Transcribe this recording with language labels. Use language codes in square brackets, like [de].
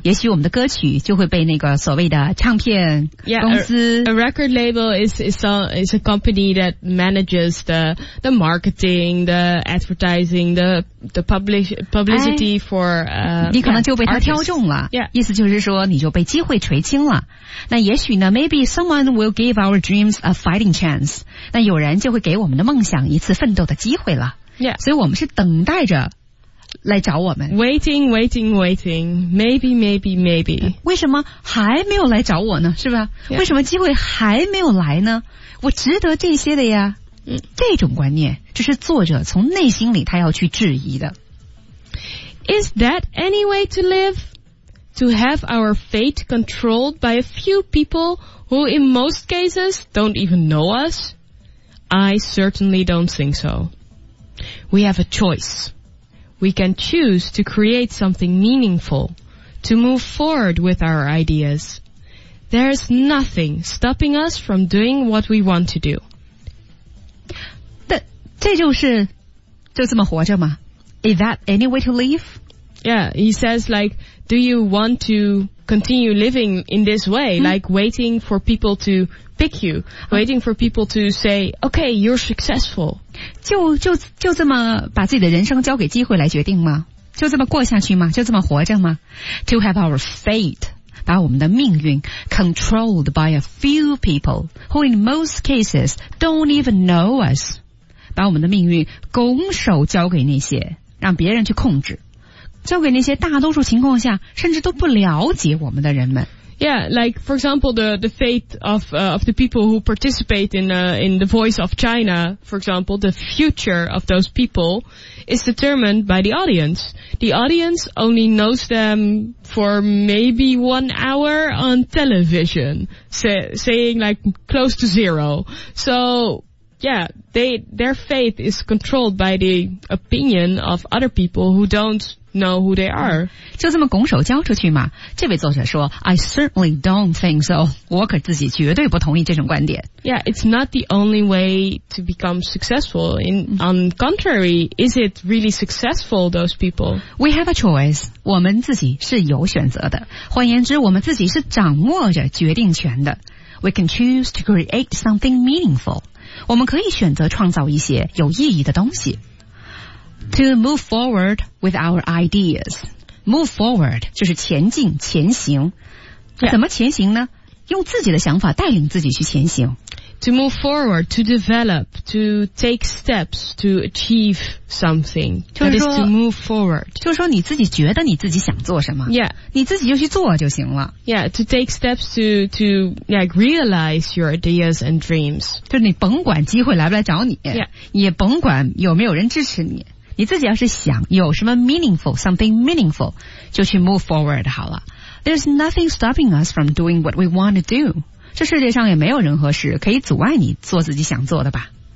[zh] 也许我们的歌曲就会被那个所谓的唱片公司。 [en] Yeah, a record label is a company that manages the marketing, the advertising, the publicity for, [zh] 你可能就被他挑中了。 [en] Yeah. [zh] 意思就是说你就被机会垂青了。那也许呢 [en] ,maybe someone will give our dreams a fighting chance. [zh] 那有人就会给我们的梦想一次奋斗的机会了。 [en] Yeah. [zh] 所以我们是等待着来找我们。 [en] Waiting, waiting, waiting. Maybe, maybe, maybe. [zh] 为什么还没有来找我呢？是吧？ [en] Yeah. [zh] 为什么机会还没有来呢？我值得这些的呀。这种观念，这是作者从内心里他要去质疑的。 [en] Is that any way to live? To have our fate controlled by a few people who in most cases don't even know us? I certainly don't think so. We have a choice. We can choose to create something meaningful, to move forward with our ideas. There's nothing stopping us from doing what we want to do. [zh] 这就是就这么活着吗？ [en] Is that any way to live? Yeah, he says like, do you want to continue living in this way? Like waiting for people to pick you, waiting for people to say, okay, you're successful. [zh] 就这么把自己的人生交给机会来决定吗？就这么过下去吗？就这么活着吗？ [en] To have our fate, [zh] 把我们的命运 [en] controlled by a few people who in most cases don't even know us. [zh] 把我们的命运拱手交给那些让别人去控制，交给那些大多数情况下甚至都不了解我们的人们。 [en] Yeah, like, for example, the fate of the people who participate in The Voice of China, for example, the future of those people is determined by the audience. The audience only knows them for maybe 1 hour on television, saying like close to zero. So, yeah, their fate is controlled by the opinion of other people who don'tKnow who they are. [zh] 就这么拱手交出去嘛？这位作者说 [en] I certainly don't think so. [zh] 我可自己绝对不同意这种观点。 [en] Yeah, it's not the only way to become successful. On contrary, is it really successful, those people? We have a choice. [zh] 我们自己是有选择的。换言之，我们自己是掌握着决定权的。 [en] We can choose to create something meaningful. [zh] 我们可以选择创造一些有意义的东西。 [en] To move forward with our ideas. Move forward [zh] 就是前进前行、 [en] yeah. [zh] 怎么前行呢？用自己的想法带领自己去前行。 [en] To move forward, to develop, to take steps to achieve something. That is to move forward. [zh] 就是说你自己觉得你自己想做什么、 [en] yeah. [zh] 你自己就去做就行了。 [en] Yeah, to take steps to like, realize your ideas and dreams. [zh] 就是你甭管机会来不来找你、 [en] yeah. [zh] 也甭管有没有人支持你，你自己要是想有什么 [en] meaningful, something meaningful, [zh] 就去 [en] move forward [zh] 好了。 [en] There's nothing stopping us from doing what we want to do. [zh] 这世界上也没有任何事可以阻碍你做自己想做的吧。